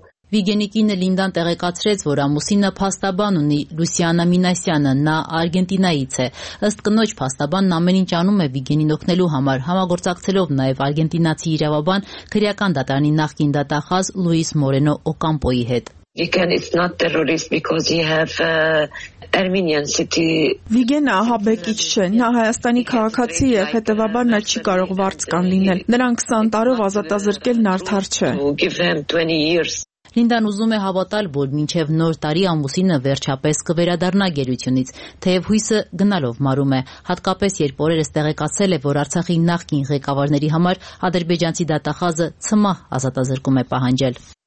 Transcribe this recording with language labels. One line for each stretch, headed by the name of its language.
Armenian: Վիգենի կինը Լինդան տեղեկացրեց, որ ամուսինը փաստաբան ունի, Լուսիանա Մինասյանը, նա Արգենտինայից է։ Ըստ կնոջ փաստաբանն ամեն ինչ անում է Վիգենին օգնելու համար, համագործակցելով նաև արգենտինացի իրավաբան քրեական դատարանի նախկին դատախազ Լուիս Մորենո Օկամպոյի հետ։
English: Վիգեն is not terrorist because he have Armenian city.
Armenian: Վիգեն ահաբեկիչ չէ, նա Հայաստանի քաղաքացի է, հետևաբար նա չի կարող վարձկան լինել։ Նրան 20 տարով ազատազրկելն արդար չէ։ Լինդան ուզում է հավատալ, որ մինչև նոր տարի ամուսինը վերջապես կվերադառնա գերությունից, թեև հույսը գնալով մարում է, հատկապես երբ օրերս տեղեկացել է, որ Արցախի նախկին ղեկավարների համար ադրբեջանցի դատախազը ցմահ ազատազրկում է պահանջել։